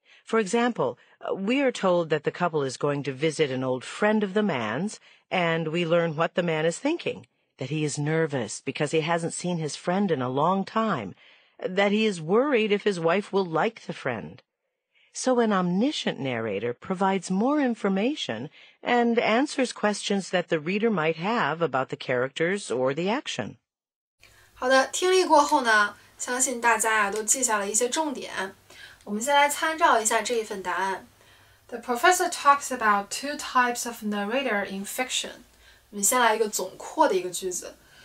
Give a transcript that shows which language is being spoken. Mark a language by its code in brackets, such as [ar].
[en] For example, we are told that the couple is going to visit an old friend of the man's, and we learn what the man is thinking, that he is nervous because he hasn't seen his friend in a long time, that he is worried if his wife will like the friend. So an omniscient narrator provides more information and answers questions that the reader might have about the characters or the action. [zh] 好的，听力过后呢，相信大家都记下了一些重点。我们先来参照一下这一份答案。 [en] The professor talks about two types of narrator in fiction. [zh] 我们先来一个总括的一个句子。